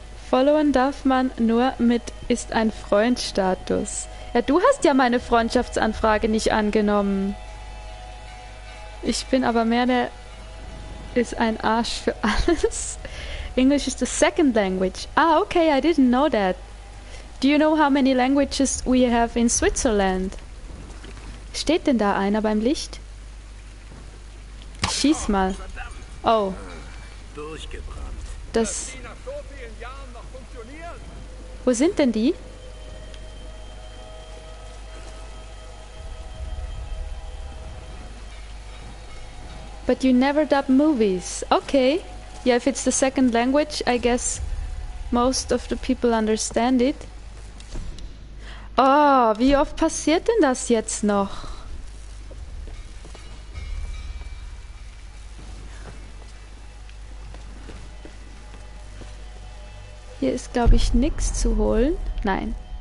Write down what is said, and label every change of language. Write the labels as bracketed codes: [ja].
[de] Followen darf man nur mit ist ein Freund-Status. Ja, du hast ja meine Freundschaftsanfrage nicht angenommen. Ich bin aber mehr der ist ein Arsch für alles. [en] English is the second language. Ah, okay, I didn't know that. Do you know how many languages we have in Switzerland? [de] Steht denn da einer beim Licht? Schieß mal. Oh. Durchgebrannt. Das... Wo sind denn die? [en] But you never dub movies. Okay. Yeah, if it's the second language, I guess most of the people understand it. [de] Oh, wie oft passiert denn das jetzt noch? Hier ist, glaube ich, nichts zu holen. Nein.